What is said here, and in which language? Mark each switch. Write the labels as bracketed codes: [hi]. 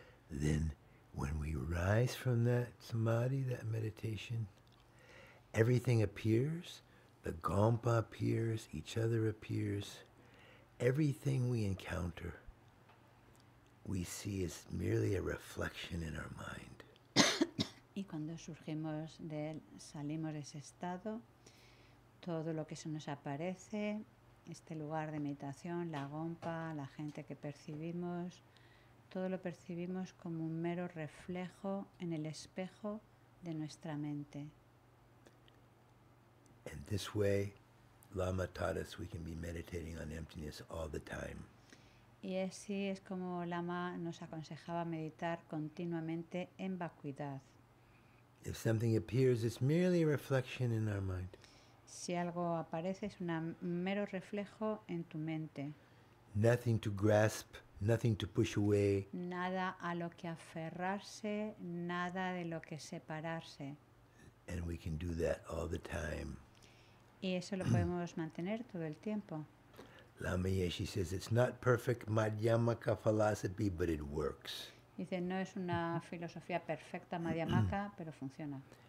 [en] Then when we rise from that samadhi, that meditation, everything appears, the gompa appears, each other appears, everything we encounter, we see as merely a reflection in our mind. [es] Y cuando surgimos de él, salimos de ese estado, todo lo que se nos aparece, este lugar de meditación, la gompa, la gente que percibimos, todo lo percibimos como un mero reflejo en el espejo de nuestra mente. [en] And this way, Lama taught us we can be meditating on emptiness all the time. [es] Y así es como Lama nos aconsejaba meditar continuamente en vacuidad. [en] If something appears, it's merely a reflection in our mind. [es] Si algo aparece, es un mero reflejo en tu mente. [en] Nothing to grasp. Nothing to push away. [es] Nada a lo que aferrarse, nada de lo que separarse. [en] And we can do that all the time. [es] Y eso lo podemos mantener todo el tiempo. [en] Lama Yeshe says it's not perfect Madhyamaka philosophy, but it works. [es] Dice, no es una filosofía perfecta Madhyamaka, pero funciona.